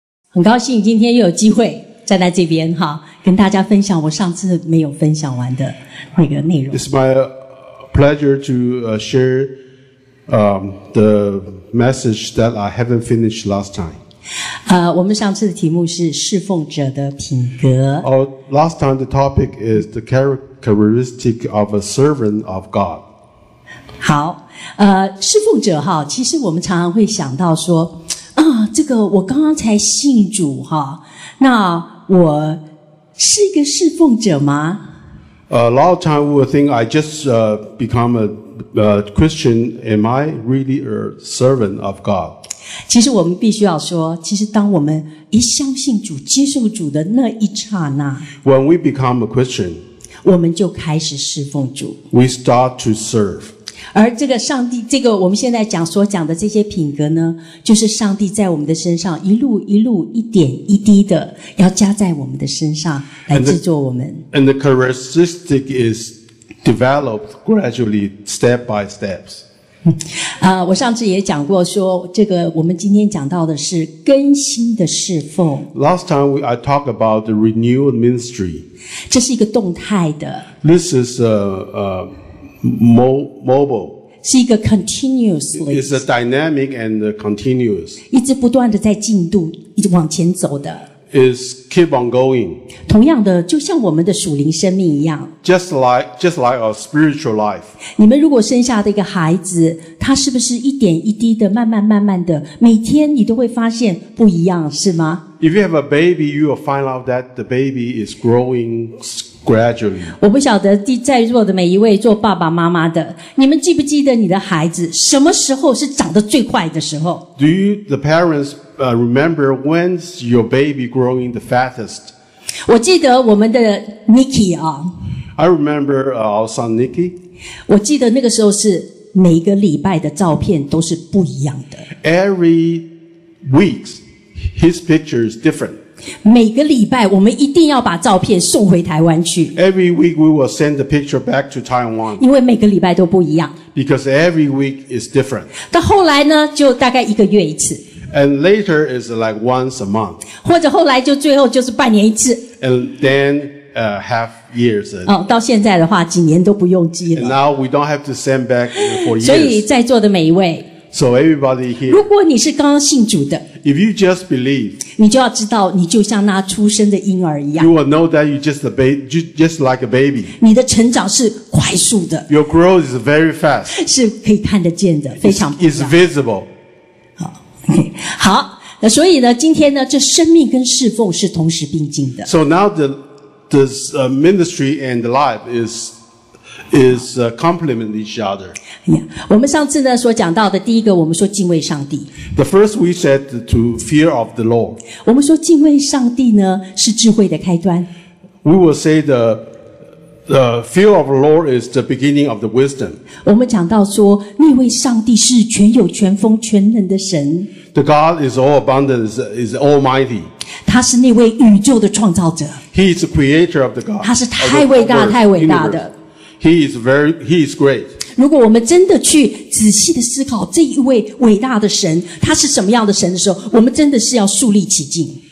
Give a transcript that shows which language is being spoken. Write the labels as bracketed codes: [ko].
[zh] 很高兴今天又有机会站在这边哈，跟大家分享我上次没有分享完的那个内容。 [en] It's my pleasure to share the message that I haven't finished last time. [zh] 我们上次的题目是侍奉者的品格。 [en] Last time the topic is the characteristic of a servant of God. [zh] 好，侍奉者哈，其实我们常常会想到说。这个我刚刚才信主哈，那我是一个侍奉者吗？ [en] A lot of time we think I just become a Christian. Am I really a servant of God? [zh] 其实我们必须要说，其实当我们一相信主、接受主的那一刹那 [en] ，When we become a Christian， [zh] 我们就开始侍奉主。 [en] We start to serve. [zh] 而这个上帝，这个我们现在讲所讲的这些品格呢，就是上帝在我们的身上一路一路一点一滴的要加在我们的身上来制作我们。 [en] And the characteristic is developed gradually, step by steps. [zh] 我上次也讲过说，这个我们今天讲到的是更新的侍奉。 [en] Last time I talked about the renewed ministry. [zh] 这是一个动态的。 [en] This is mobile [zh] 是一个 [en] continuously， is a dynamic and continuous， [zh] 一直不断的在进度，一直往前走的， [en] is keep on going， [zh] 同样的就像我们的属灵生命一样， [en] just like our spiritual life， [zh] 你们如果生下的一个孩子，他是不是一点一滴的慢慢慢慢的每天你都会发现不一样，是吗？ [en] If you have a baby you will find out that the baby is growing gradually. [zh] 我不晓得在座的每一位做爸爸妈妈的，你们记不记得你的孩子什么时候是长得最快的时候？ [en] Do you, the parents, remember when's your baby growing the fastest? [zh] 我记得我们的 Nikki 啊。 [en] I remember our son Nikki. [zh] 我记得那个时候是每个礼拜的照片都是不一样的。 [en] Every week, his picture is different. [zh] 每个礼拜我们一定要把照片送回台湾去。 [en] Every week we will send the picture back to Taiwan. [zh] 因为每个礼拜都不一样。 [en] Because every week is different. [zh] 到后来呢就大概一个月一次。 [en] And later is like once a month. [zh] 或者后来就最后就是半年一次。 [en] And then, half years. [zh] 到现在的话几年都不用寄了。 [en] And now we don't have to send back for years. [zh] 所以在座的每一位。 [en] So everybody here. [zh] 如果你是刚刚信主的。 [en] If you just believe, [zh] 你就要知道你就像那出生的婴儿一样。 [en] You will know that you're just a baby, just like a baby. [zh] 你的成长是快速的。 [en] Your growth is very fast. [zh] 是可以看得见的，非常不一 [en] 样。It's visible. [zh] 好，那所以呢，今天呢，这生命跟侍奉是同时并进的。 [en] So now the ministry and life is complement each other. Yeah. [zh] 我们上次呢所讲到的第一个，我们说敬畏上帝。 [en] The first we said to fear of the Lord. [zh] 我们说敬畏上帝呢是智慧的开端。 [en] We will say the fear of the Lord is the beginning of the wisdom. [zh] 我们讲到说那位上帝是全有全丰全能的神。 [en] The God is all abundant, is almighty. [zh] 他是那位宇宙的创造者。 [en] He is the creator of the God. [zh] 他是太伟大太伟大的。 [en] He is great. [zh] 如果我们真的去仔细的思考这一位伟大的神，他是什么样的神的时候，我们真的是要肃立起敬。